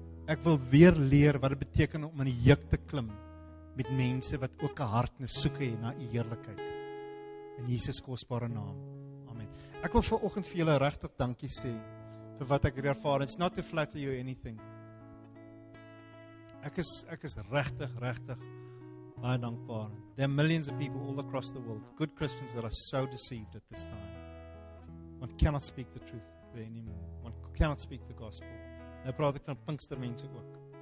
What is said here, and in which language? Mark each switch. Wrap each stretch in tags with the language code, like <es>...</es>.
<af>Ek wil weer leer wat dit beteken om in die juk te klim met mense wat ook 'n hart na soeke het na u heerlikheid. In Jesus kosbare naam. Amen. Ek wil vanoggend vir julle regtig dankie sê vir wat ek ervaar.</af> <en>It's not to flatter you anything.</en> <af>Ek is regtig baie dankbaar.</af> <en>There are millions of people all across the world, good Christians that are so deceived at this time. One cannot speak the truth there anymore. One cannot speak the gospel.</en> <af>Nou praat ek van Pinkster mense ook.</af>